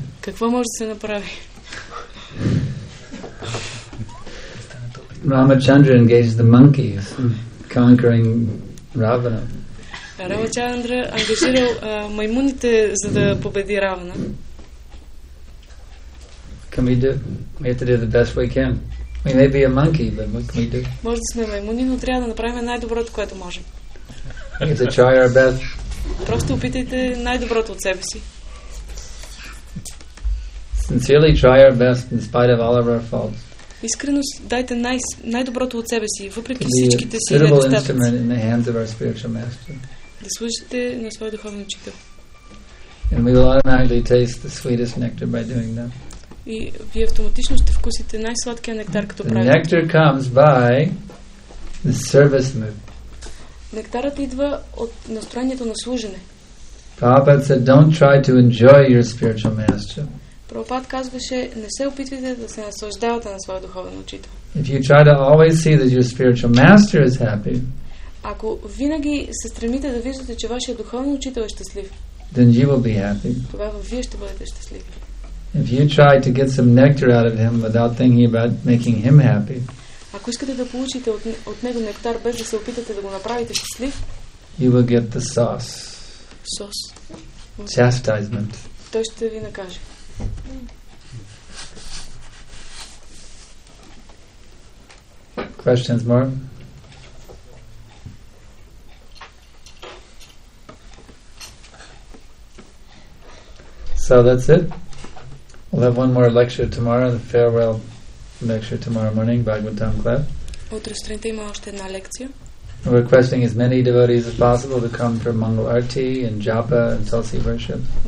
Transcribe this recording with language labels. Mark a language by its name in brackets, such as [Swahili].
[Bulgarian] Какво може да се направи? [English] Ramachandra engages the monkeys conquering Ravana. [Bulgarian] Рамачандра ангажирал маймуните, за да победи Равана. [English] Can we do? We have to do the best we can. We may be a monkey, but what can we do? [Bulgarian] Може да сме маймуни, но трябва да направим най-доброто, което можем. [English] We have to try our best. [Bulgarian] Просто опитайте най-доброто от себе си. [English] Sincerely try our best in spite of all of our faults. [Bulgarian] Искрено дайте най-доброто от себе си, въпреки всичките си недостатъци. [English] Suitable instrument in the hands of our spiritual master. [Bulgarian] Да служите на своя духовен учител. [English] And we will automatically taste the sweetest nectar by doing that. [Bulgarian] И вие автоматично ще вкусите най-сладкия нектар, като правите. [English] Nectar comes by The service mood. [Bulgarian] Нектарът идва от настроението на служене. [English] Prabhupada said, "Don't try to enjoy your spiritual master." [Bulgarian] Prabhupada казваше, не се опитвайте да се наслаждавате на своя духовен учител. [English] If you try to always see that your spiritual master is happy, [Bulgarian] ако винаги се стремите да виждате, че вашия духовен учител е щастлив, [English] then you will be happy. [Bulgarian] Тогава вие ще бъдете щастливи. [English] If you try to get some nectar out of him without thinking about making him happy, [Bulgarian] ако искате да получите от него нектар без да се опитате да го направите щастлив, [English] you will get the sauce. [Bulgarian] Сос. [English] Chastisement. [Bulgarian] Той ще ви накаже. [English] Questions more? So that's it. We'll have one more lecture tomorrow, the farewell lecture tomorrow morning, Bhagavatam Club. [Bulgarian] Утре сутринта има още една лекция. [English] We're requesting as many devotees as possible to come for Mangal Arti and Japa and Tulsi worship.